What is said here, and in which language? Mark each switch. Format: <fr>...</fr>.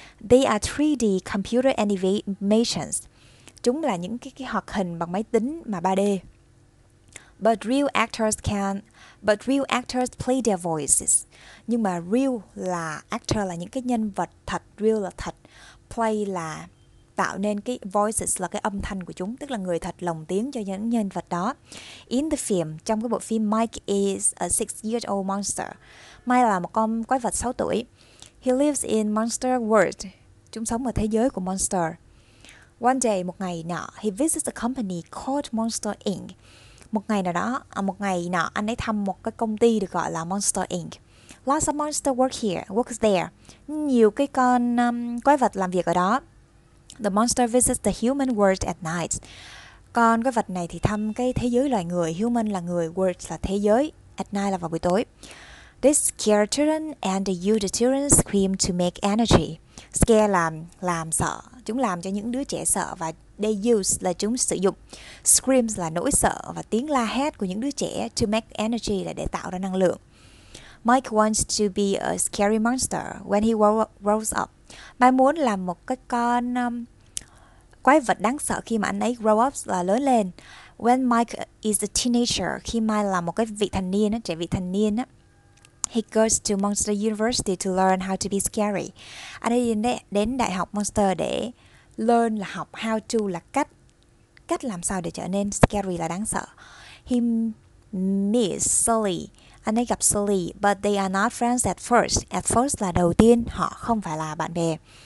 <en>They are 3D computer animations.</en> <vi>Chúng là những cái hoạt hình bằng máy tính mà 3D.</vi> <en>But real actors can, but real actors play their voices.</en> <vi>Nhưng mà real là actor, là những cái nhân vật thật. Real là thật. Play là tạo nên cái voices, là cái âm thanh của chúng, tức là người thật lồng tiếng cho những nhân vật đó.</vi> <en>In the film,</en> <vi>trong cái bộ phim,</vi> <en>Mike is a 6-year-old monster.</en> <vi>Mike là một con quái vật 6 tuổi.</vi> <en>He lives in monster world.</en> <vi>Chúng sống ở thế giới của monster.</vi> <en>One day,</en> <vi>một ngày nọ,</vi> <en>he visits a company called Monster Inc.</en> <vi>Một ngày nào đó, một ngày nọ, anh ấy thăm một cái công ty được gọi là Monster Inc.</vi> <en>Lots of monster work here, works there.</en> <vi>Nhiều cái con quái vật làm việc ở đó.</vi> <en>The monster visits the human world at night.</en> <vi>Con quái vật này thì thăm cái thế giới loài người. Human là người, world là thế giới.</vi> <en>At night</en> <vi>là vào buổi tối.</vi> <en>They scare children and they use the children's scream to make energy.</en> <vi>Scare làm sợ. Chúng làm cho những đứa trẻ sợ và</vi> <en>they use</en> <vi>là chúng sử dụng. Screams là nỗi sợ và tiếng la hét của những đứa trẻ.</vi> <en>To make energy</en> <vi>là để tạo ra năng lượng.</vi> <en>Mike wants to be a scary monster when he grows up.</en> <vi>Mike muốn làm một cái con quái vật đáng sợ khi mà anh ấy</vi> <en>grow up,</en> <vi>là lớn lên.</vi> <en>When Mike is a teenager,</en> <vi>khi Mike là một cái vị thành niên,</vi> <en>trẻ vị thành niên, he goes to Monster University to learn how to be scary.</en> <vi>Anh ấy đến đại học Monster để learn là học, how to là cách làm sao để trở nên scary, là đáng sợ.</vi> <en>He meets Sully.</en> <vi>Anh ấy gặp Sully,</vi> <en>but they are not friends at first. At first</en> <vi>là đầu tiên, họ không phải là bạn bè.</vi>